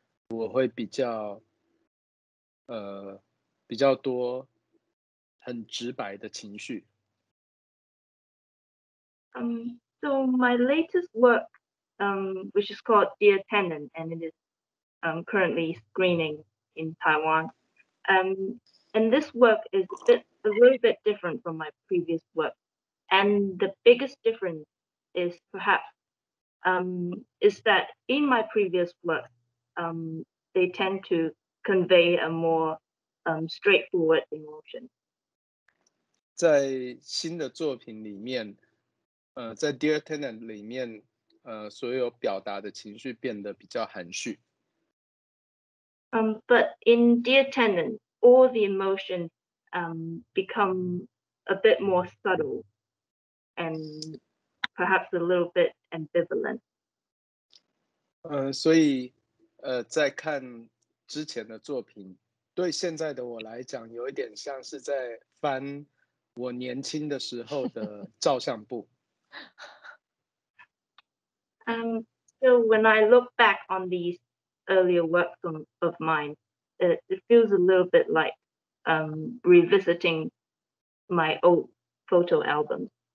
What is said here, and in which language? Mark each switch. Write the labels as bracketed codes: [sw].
[zh] 我会比较比较多很直白的情绪。 [en] So my latest work, which is called Dear Tenant, and it is currently screening in Taiwan. And this work is a little bit different from my previous work. And the biggest difference is perhaps is that in my previous work, they tend to convey a more straightforward emotion. [zh] 在新的作品里面，在 Dear Tenant 里面，所有表达的情绪变得比较含蓄。 [en] But in Dear Tenant, all the emotions become a bit more subtle and perhaps a little bit ambivalent. [zh] 所以，在看之前的作品，对现在的我来讲，有一点像是在翻我年轻的时候的照相簿。 [en] So when I look back on these earlier works of mine, it feels a little bit like revisiting my old photo album.